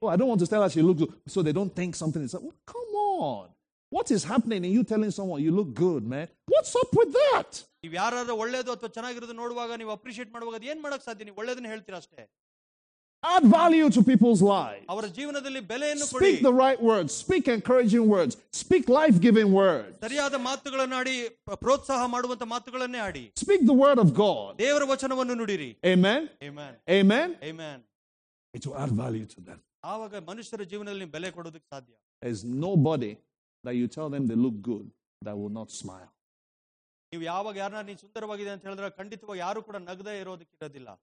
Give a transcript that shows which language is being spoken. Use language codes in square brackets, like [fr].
[en] Oh, I don't want to tell her she looks good, so they don't think something is. Well, come on. What is happening in you telling someone you look good, man? What's up with that? [kn] ನೀವು ಯಾರಾದ್ರೂ ಒಳ್ಳೇದು ಅಥವಾ ಚೆನ್ನಾಗಿರೋದು ನೋಡುವಾಗ ನೀವು appreciate ಮಾಡುವಾಗ ಅದು ಏನ್ ಮಾಡಕ್ ಸಾಧ್ಯ? ನೀವು ಒಳ್ಳೇದನ್ನ ಹೇಳ್ತೀರಾ ಅಷ್ಟೇ. [en] Add value to people's lives. [kn] ಅವರ ಜೀವನದಲ್ಲಿ ಬೆಲೆಯನ್ನು ಕೊಡಿ. [en] Speak the right words. Speak encouraging words. Speak life-giving words. [kn] ಸರಿಯಾದ ಮಾತುಗಳನ್ನು ಆಡಿ, ಪ್ರೋತ್ಸಾಹ ಮಾಡುವಂತ ಮಾತುಗಳನ್ನೇ ಆಡಿ. [en] Speak the word of God. [kn] ದೇವರ ವಚನವನ್ನು ನುಡಿರಿ. [en] Amen. Amen. Amen. Amen. It will add value to them. [kn] ಆವಾಗ ಮನುಷ್ಯರ ಜೀವನದಲ್ಲಿ ಬೆಲೆ ಕೊಡೋದಕ್ಕೆ ಸಾಧ್ಯ. [en] There's nobody that you tell them they look good that will not smile. [kn] ನೀವು ಯಾವಾಗ ಯಾರನ್ನ ನೀವು ಸುಂದರವಾಗಿದೆ ಅಂತ ಹೇಳಿದ್ರೆ ಖಂಡಿತವಾಗಿ ಯಾರು ಕೂಡ ನಗದೇ ಇರೋದಕ್ಕೆ ಇರೋದಿಲ್ಲ.